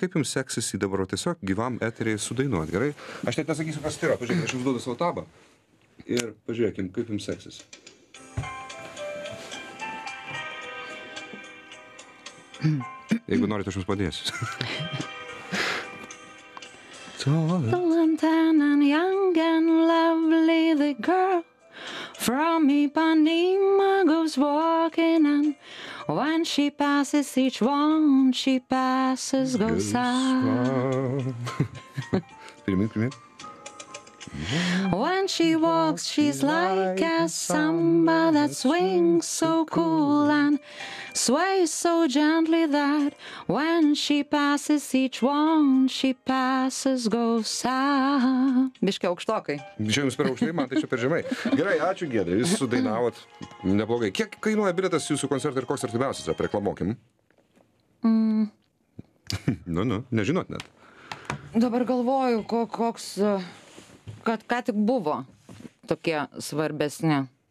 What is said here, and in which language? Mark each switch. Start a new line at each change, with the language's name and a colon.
Lithuanian: kaip jums seksis į dabar tiesiog gyvam eteriai sudainuot, gerai? Aš net nesakysiu, kas tai yra, pažiūrėkim, aš jums duodu savo tabą. Ir pažiūrėkim, kaip jums seksis. Jeigu norite, aš jums padėsiu.
English: Tall and tan and young and lovely the girl from Ipanema goes walking and when she passes each one, she passes, goes out. Pirmin. When she walks, she's like a samba that swings so cool and sways so gently that when she passes each one, she passes, goes out.
Lithuanian: Biškia aukštokai. Čia jums per aukštai, man tai čia per žemai. Gerai, ačiū Giedrė, jūs sudainavot neblogai. Kiek kainuoja biletas jūsų koncertai ir koks artimiausias yra, reklamokim? Nu, nežinot net. Dabar galvoju, koks... Kad ką tik buvo tokie svarbesni.